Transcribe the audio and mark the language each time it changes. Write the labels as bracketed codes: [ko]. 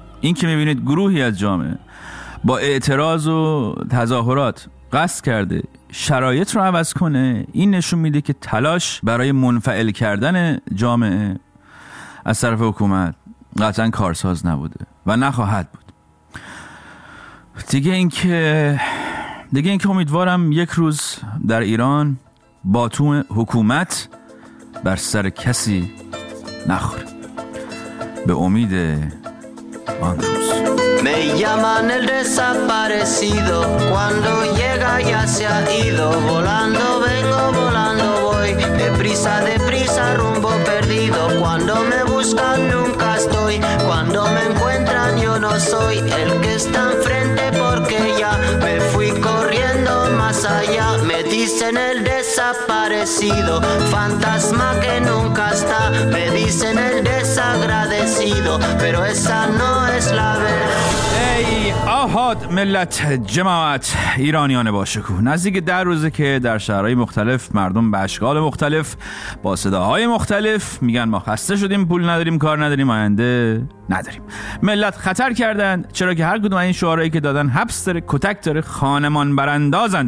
[fa] این که میبینید گروهی از جامعه با اعتراض و تظاهرات قصد کرده شرایط رو عوض کنه، این نشون میده که تلاش برای منفعل کردن جامعه از طرف حکومت قطعا کارساز نبوده و نخواهد بود. دیگه این که امیدوارم یک روز در ایران باتوم حکومت بر سر کسی نخوره. به امید آن روز. [es] Me llaman el desaparecido, cuando llega ya se ha ido, volando vengo, volando voy, deprisa, deprisa, rumbo perdido, cuando me buscan nunca estoy, cuando me encuentran yo no soy, el que está enfrente porque ya me fui corriendo más allá, me dicen el desaparecido, fantasma que nunca está, me dicen el desagradecido, pero esa no es la verdad. [fa] آهاد ملت، جماعت، ایرانیان باشکوه، نزدیک 10 روزه که در شهرهای مختلف مردم به اشکال مختلف با صداهای مختلف میگن ما خسته شدیم، پول نداریم، کار نداریم، آینده نداریم. ملت خطر کردن، چرا که هر کدوم این شعارهایی که دادن حبس داره، کتک داره، خانمان براندازند.